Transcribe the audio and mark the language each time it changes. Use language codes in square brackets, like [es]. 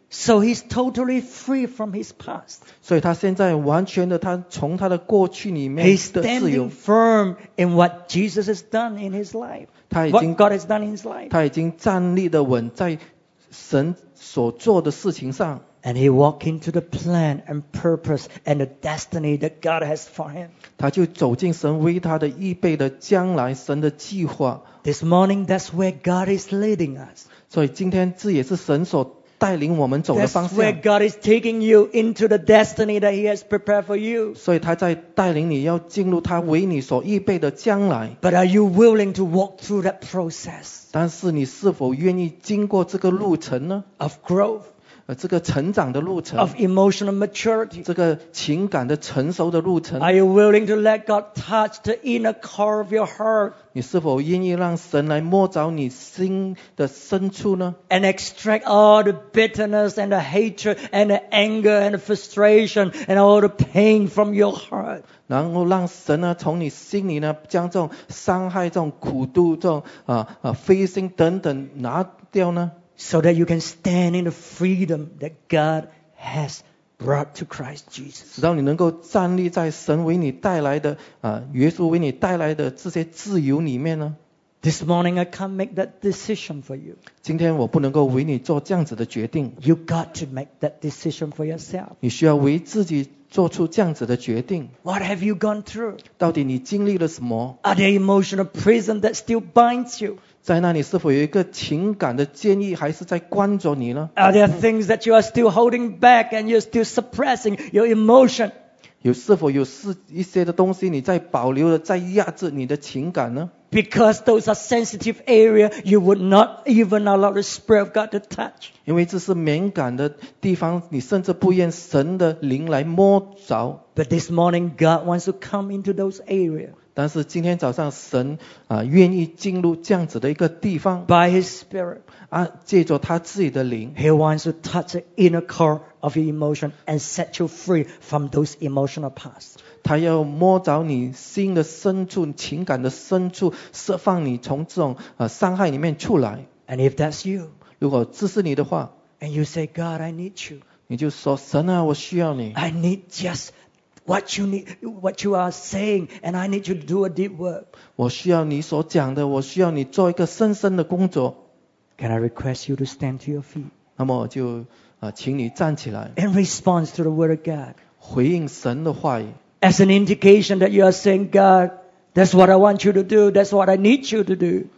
[en] So he's totally free from his past. [zh] 所以他现在完全的他从他的过去里面的自由 [en] He's standing firm in what Jesus has done in his life. [zh] 他已经 [en] What God has done in his life. [zh] 他已经站立的稳在神所做的事情上 [en] And he walked into the plan and purpose and the destiny that God has for him. [zh] 他就走进神为他的预备的将来神的计划。 [en] This morning, that's where God is leading us. [zh] 所以今天这也是神所带领我们走的方向。 [en] That's where God is taking you into the destiny that he has prepared for you. [zh] 所以他在带领你要进入他为你所预备的将来。 [en] But are you willing to walk through that process? [zh] 但是你是否愿意经过这个路程呢 [en] ?Of growth. [zh] 这个成长的路程 [en] of emotional maturity. [zh] 这个情感的成熟的路程 [en] Are you willing to let God touch the inner core of your heart? [zh] 你是否愿意让神来摸着你心的深处呢 [en] And extract all the bitterness and the hatred and the anger and the frustration and all the pain from your heart. [zh] 然后让神呢从你心里呢将这种伤害这种苦度这种灰心等等拿掉呢 [en] So that you can stand in the freedom that God has brought to Christ Jesus. [zh] 直到你能够站立在神为你带来的耶稣为你带来的这些自由里面呢。 [en] This morning I can't make that decision for you. [zh] 今天我不能够为你做这样子的决定。 [en] You got to make that decision for yourself. [zh] 你需要为自己做出这样子的决定。 [en] What have you gone through? [zh] 到底你经历了什么 [en] ？Are there emotional prison that still binds you? [zh] 在那里是否有一个情感的监狱还是在关着你呢 [en] ？Are there things that you are still holding back and you're still suppressing your emotion? [zh] 有是否有一些的东西你在保留着，在压制你的情感呢？ [en] Because those are sensitive area, you would not even allow the Spirit of God to touch. [zh] 因为这是敏感的地方，你甚至不愿神的灵来摸着。 [en] But this morning, God wants to come into those area. [zh] 但是今天早上神愿意进入这样子的一个地方。 [en] By His Spirit. [zh] 借着他自己的灵。 [en] He wants to touch the inner core of your emotion and set you free from those emotional past. [zh] 他要摸着你心的深处，情感的深处，释放你从这种伤害里面出来。 [en] And if that's you. [zh] 如果这是你的话。 [en] And you say, God, I need you. [zh] 你就说神啊，我需要你。 [en] I need just what you need, what you are saying, and I need you to do a deep work. [zh] 我需要你所讲的，我需要你做一个深深的工作。 [en] Can I request you to stand to your feet? [zh] 那么我就请你站起来。 [en] In response to the word of God. [zh] 回应神的话语。 [en] As an indication that you are saying, God, that's what I want you to do, that's what I need you to do.